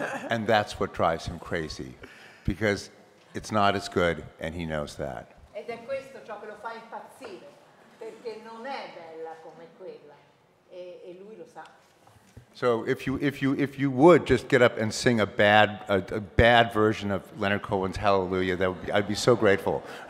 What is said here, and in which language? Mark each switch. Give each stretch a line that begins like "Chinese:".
English: And that's what drives him crazy, because it's not as good, and he knows that.
Italian: Ed è questo ciò che lo fa impazzire, perché non è bella come quella, e lui lo sa.
English: So if you would just get up and sing a bad version of Leonard Cohen's Hallelujah, that would be, I'd be so grateful.